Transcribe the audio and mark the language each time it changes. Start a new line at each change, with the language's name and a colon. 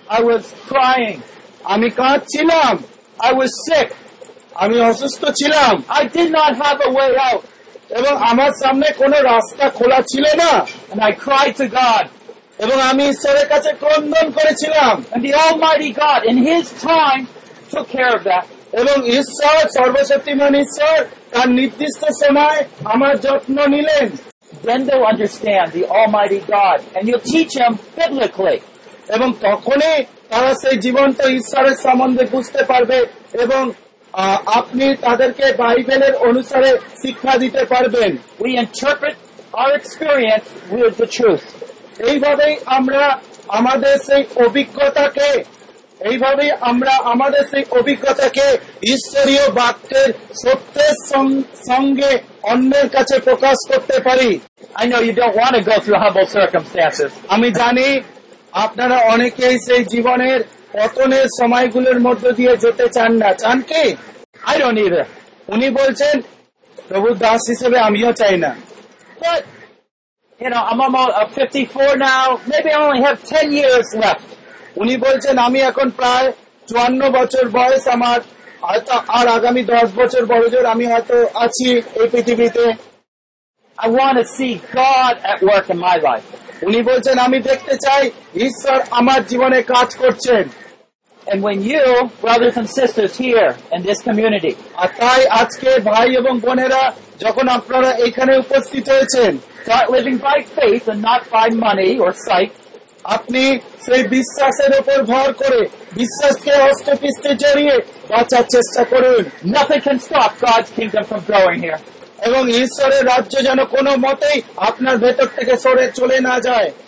English: I was crying.
Bangla: আমি কাঁদছিলাম।
English: I was sick.
Bangla: আমি অসুস্থ ছিলাম।
English: I did not have a way out.
Bangla: এবং আমার সামনে কোন রাস্তা খোলা ছিল না।
English: And I cried to God.
Bangla: এবং আমি ঈশ্বরের কাছে ক্রন্দন করেছিলাম।
English: And the Almighty God, in His time, took care of that.
Bangla: এবং ঈশ্বর সর্বশক্তিমান ঈশ্বর তার নির্দিষ্ট সময় আমার যত্ন নিলেন।
English: Then they understand the Almighty God and you teach them biblically.
Bangla: এবং তখনই তারা সেই জীবন্ত ঈশ্বরের সম্বন্ধে বুঝতে পারবে এবং আপনি তাদেরকে বাইবেলের অনুসারে শিক্ষা দিতে পারবেন।
English: We interpret our experience with the truth.
Bangla: এইভাবেই আমরা আমাদের সেই অভিজ্ঞতাকে এইভাবে আমরা আমাদের সেই অভিজ্ঞতাকে ঈশ্বরীয় বাক্যের সত্যের সঙ্গে অন্যের কাছে প্রকাশ করতে পারি।
English: I know you don't want to go through humble circumstances.
Bangla: আমি জানি আপনারা অনেকেই সেই জীবনের পতনের সময়গুলোর মধ্যে দিয়ে যেতে চান না, চান কি?
English: I don't either.
Bangla: উনি বলছেন, প্রভু দাস হিসেবে আমিও চাই না।
English: But, you know, I'm about 54 now. Maybe I only have 10 years left.
Bangla: উনি বলছেন, আমি এখন প্রায় 54 বছর বয়স আমার, হয়তো আর আগামী 10 বছর বড় জোর আমি হয়তো আছি এই পৃথিবীতে।
English: I want to see God at work in my life.
Bangla: উনি বলছেন, আমি দেখতে চাই ঈশ্বর আমার জীবনে কাজ করছেন।
English: And when you, brothers and sisters here in this community,
Bangla: আর তাই আজকে ভাই এবং বোনেরা যখন আপনারা এখানে উপস্থিত হয়েছেন,
English: start living by faith and not by money or sight.
Bangla: আপনি সেই বিশ্বাসের উপর ভর করে বিশ্বাসকে অস্ত্র পিস্তে জড়িয়ে বাঁচার চেষ্টা করুন।
English: Nothing can stop God's kingdom from growing here.
Bangla: এবং ঈশ্বরের রাজ্য যেন কোন মতেই আপনার ভেতর থেকে সরে চলে না যায়।